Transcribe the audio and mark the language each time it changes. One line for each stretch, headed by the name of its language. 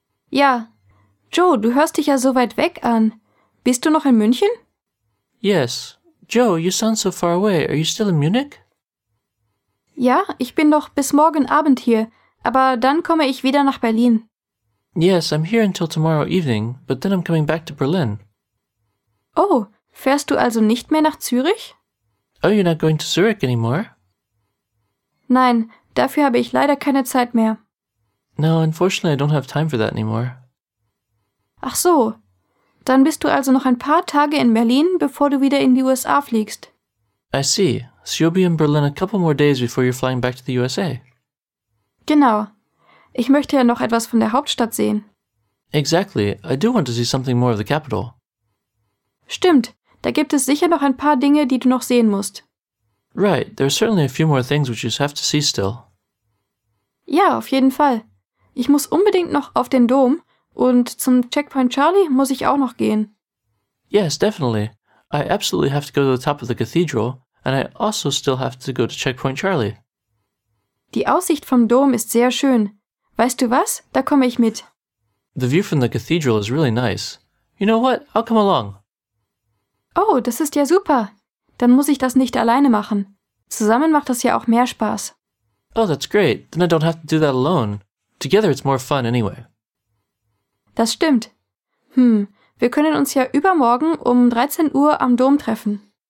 German: Ja. Joe, du hörst dich ja so weit weg an. Bist du noch in München?
English: Yes. Joe, you sound so far away. Are you still in Munich?
German: Ja, ich bin noch bis morgen Abend hier, aber dann komme ich wieder nach Berlin.
English: Yes, I'm here until tomorrow evening, but then I'm coming back to Berlin.
German: Oh, fährst du also nicht mehr nach Zürich?
English: Oh, you're not going to Zurich anymore?
German: Nein, dafür habe ich leider keine Zeit mehr.
English: No, unfortunately, I don't have time for that anymore.
German: Ach so, dann bist du also noch ein paar Tage in Berlin, bevor du wieder in die USA fliegst.
English: I see. So you'll be in Berlin a couple more days before you're flying back to the USA.
German: Genau. Ich möchte ja noch etwas von der Hauptstadt sehen.
English: Exactly. I do want to see something more of the capital.
German: Stimmt. Da gibt es sicher noch ein paar Dinge, die du noch sehen musst.
English: Right. There are certainly a few more things which you have to see still.
German: Ja, auf jeden Fall. Ich muss unbedingt noch auf den Dom und zum Checkpoint Charlie muss ich auch noch gehen.
English: Yes, definitely. I absolutely have to go to the top of the cathedral and I also still have to go to Checkpoint Charlie.
German: Die Aussicht vom Dom ist sehr schön. Weißt du was? Da komme ich mit.
English: The view from the cathedral is really nice. You know what? I'll come along.
German: Oh, das ist ja super. Dann muss ich das nicht alleine machen. Zusammen macht das ja auch mehr Spaß.
English: Oh, that's great. Then I don't have to do that alone. Together it's more fun anyway.
German: Das stimmt. Wir können uns ja übermorgen um 13 Uhr am Dom treffen.